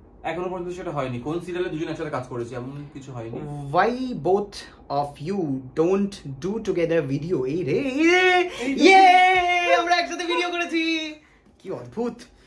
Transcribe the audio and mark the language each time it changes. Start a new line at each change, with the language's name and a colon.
Bangla: এখনো পর্যন্ত সেটা হয়নি, কোন সিরিয়ালে দুজন একসাথে কাজ করেছি এমন কিছু হয়নি।
English: Why both of you don't do together video?
Bangla: এই রে, এই রে, আমরা একসাথে ভিডিও করেছি, কি অদ্ভুত।